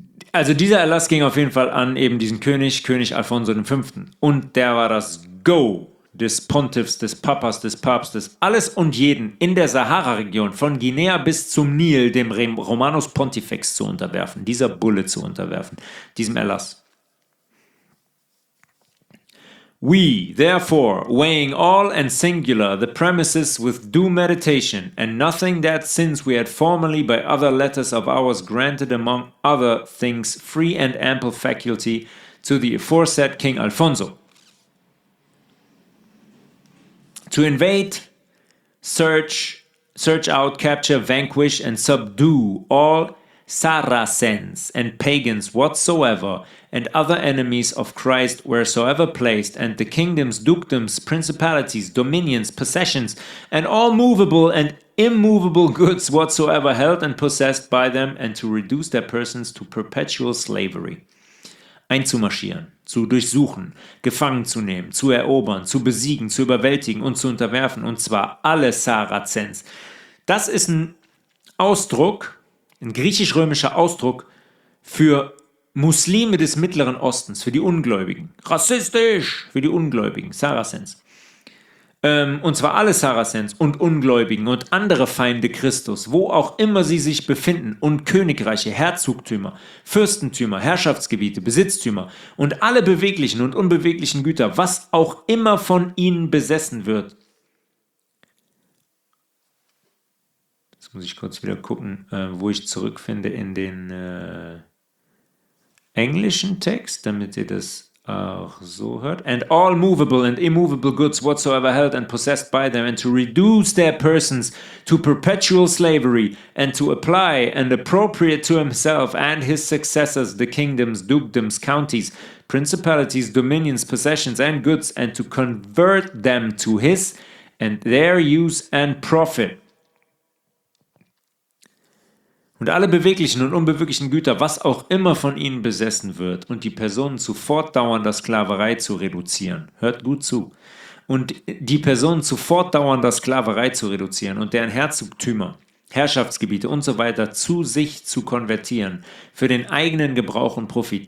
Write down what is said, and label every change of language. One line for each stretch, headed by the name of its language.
German: Also dieser Erlass ging auf jeden Fall an eben diesen König, König Alfonso V. Und der war das Go des Pontiffs, des Papas, des Papstes, alles und jeden in der Sahara-Region von Guinea bis zum Nil dem Romanus Pontifex zu unterwerfen, dieser Bulle zu unterwerfen, diesem Erlass.
English: We, therefore, weighing all and singular the premises with due meditation, and nothing that since we had formerly by other letters of ours granted among other things free and ample faculty to the aforesaid King Alfonso, to invade, search out, capture, vanquish, and subdue all Saracens and pagans whatsoever, and other enemies of Christ wheresoever placed, and the kingdoms, dukedoms, principalities, dominions, possessions, and all movable and immovable goods whatsoever held and possessed by them, and to reduce their persons to perpetual slavery.
German: Einzumarschieren, zu durchsuchen, gefangen zu nehmen, zu erobern, zu besiegen, zu überwältigen und zu unterwerfen, und zwar alle Saracens. Das ist ein Ausdruck, ein griechisch-römischer Ausdruck für Muslime des Mittleren Ostens, für die Ungläubigen. Rassistisch! Für die Ungläubigen, Saracens. Und zwar alle Saracens und Ungläubigen und andere Feinde Christus, wo auch immer sie sich befinden, und Königreiche, Herzogtümer, Fürstentümer, Herrschaftsgebiete, Besitztümer und alle beweglichen und unbeweglichen Güter, was auch immer von ihnen besessen wird. Jetzt muss ich kurz wieder gucken, wo ich zurückfinde in den englischen Text, damit ihr das auch so hört.
English: And all movable and immovable goods whatsoever held and possessed by them, and to reduce their persons to perpetual slavery, and to apply and appropriate to himself and his successors the kingdoms, dukedoms, counties, principalities, dominions, possessions, and goods, and to convert them to his and their use and profit.
German: Und alle beweglichen und unbeweglichen Güter, was auch immer von ihnen besessen wird, und die Personen zu fortdauernder Sklaverei zu reduzieren. Hört gut zu. Und die Personen zu fortdauernder Sklaverei zu reduzieren und deren Herzogtümer, Herrschaftsgebiete und so weiter zu sich zu konvertieren für den eigenen Gebrauch und Profit.